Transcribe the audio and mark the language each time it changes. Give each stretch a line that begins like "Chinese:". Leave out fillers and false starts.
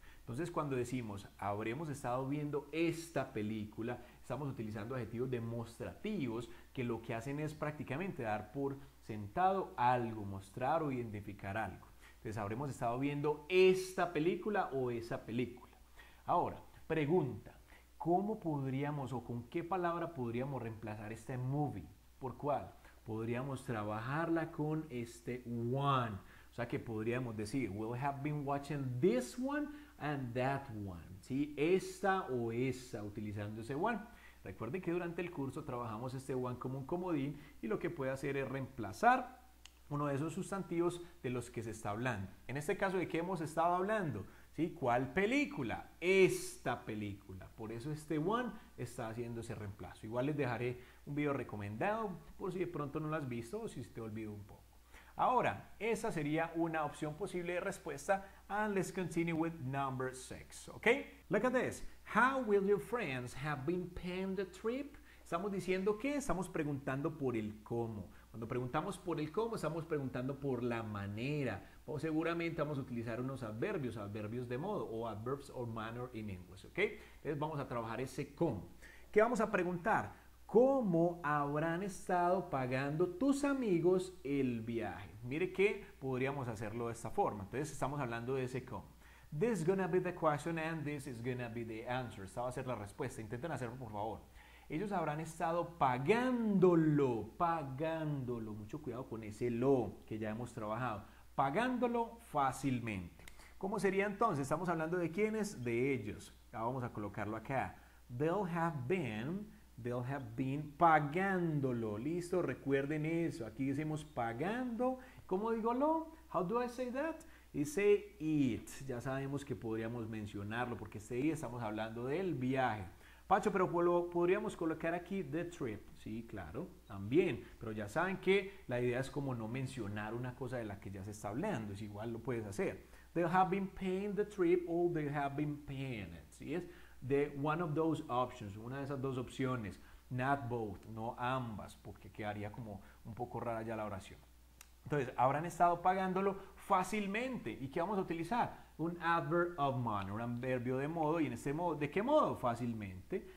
Spanish: Entonces, cuando decimos, habremos estado viendo esta película, estamos utilizando adjetivos demostrativos que lo que hacen es prácticamente dar por sentado algo, mostrar o identificar algo. Entonces, habremos estado viendo esta película o esa película. Ahora, pregunta, ¿cómo podríamos o con qué palabra podríamos reemplazar este movie? ¿Por cuál? Podríamos trabajarla con este one. O sea que podríamos decir,
English: we'll have been watching this one and that one.
Spanish: ¿Sí? Esta o esa, utilizando ese one. Recuerden que durante el curso trabajamos este one como un comodín y lo que puede hacer es reemplazar uno de esos sustantivos de los que se está hablando. En este caso, ¿de qué hemos estado hablando? ¿Sí? ¿Cuál película? Esta película. Por eso este one está haciendo ese reemplazo. Igual les dejaré un video recomendado por si de pronto no lo has visto o si se te olvidó un poco. Ahora, esa sería una opción posible de respuesta.
English: And let's continue with number 6, ¿ok? Look at this. How will your friends have been paying the trip?
Spanish: Estamos diciendo que estamos preguntando por el cómo. Cuando preguntamos por el cómo, estamos preguntando por la manera. O seguramente vamos a utilizar unos adverbios, adverbios de modo, o
English: adverbs or manner in English,
Spanish: ¿ok? Entonces vamos a trabajar ese cómo. ¿Qué vamos a preguntar? ¿Cómo habrán estado pagando tus amigos el viaje? Mire que podríamos hacerlo de esta forma. Entonces estamos hablando de ese cómo.
English: This is gonna be the question and this is gonna be the answer.
Spanish: Esta va a ser la respuesta. Intenten hacerlo, por favor. Ellos habrán estado pagándolo, pagándolo. Mucho cuidado con ese lo que ya hemos trabajado. Pagándolo fácilmente. ¿Cómo sería entonces? Estamos hablando de quiénes, de ellos. Vamos a colocarlo acá.
English: They'll have been pagándolo.
Spanish: Listo, recuerden eso. Aquí decimos pagando. ¿Cómo digo lo?
English: How do I say that?
Spanish: Dice it. Ya sabemos que podríamos mencionarlo porque este día estamos hablando del viaje. Pacho, pero podríamos colocar aquí the trip. Sí, claro, también. Pero ya saben que la idea es como no mencionar una cosa de la que ya se está hablando. Es igual, lo puedes hacer.
English: They have been paying the trip or they have been paying it.
Spanish: ¿Sí? Es
English: the one of those options,
Spanish: una de esas dos opciones.
English: Not both,
Spanish: no ambas, porque quedaría como un poco rara ya la oración. Entonces, habrán estado pagándolo fácilmente. ¿Y qué vamos a utilizar? Un
English: adverb of manner,
Spanish: un adverbio de modo. ¿Y en este modo? ¿De qué modo? Fácilmente.